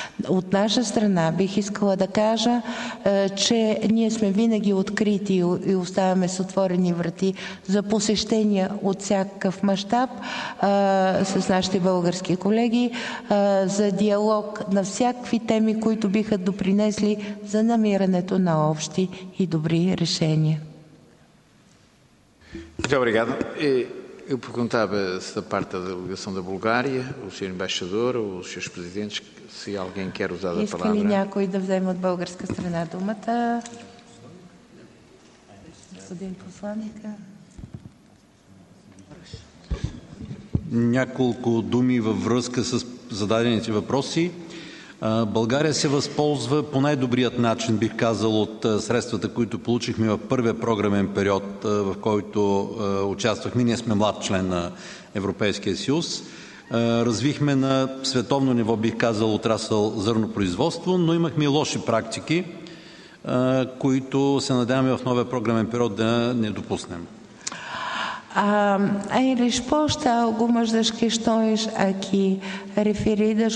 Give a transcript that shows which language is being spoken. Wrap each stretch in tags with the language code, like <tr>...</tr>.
<bg>От наша страна бих искала да кажа, че ние сме винаги открити и оставаме с отворени врати за посещения от всякакъв мащаб с нашите български колеги, за диалог на всякакви теми, които биха допринесли за намирането на общи и добри решения.</bg> <pt>Muito obrigado. Eu perguntava se da parte da delegação da Bulgária, o senhor embaixador ou os seus presidentes, se alguém quer usar a palavra.</pt> <bg>Искали някой да вземе от българска страна думата? Господин посланика. Няколко думи във връзка с зададените въпроси. България се възползва по най-добрият начин, бих казал, от средствата, които получихме в първия програмен период, в който участвахме. Ние сме млад член на Европейския съюз. Развихме на световно ниво, бих казал, отрасъл зърнопроизводство, но имахме и лоши практики, които се надяваме в новия програмен период да не допуснем.</bg> <pt>Eles postam algumas das questões aqui referidas.</pt>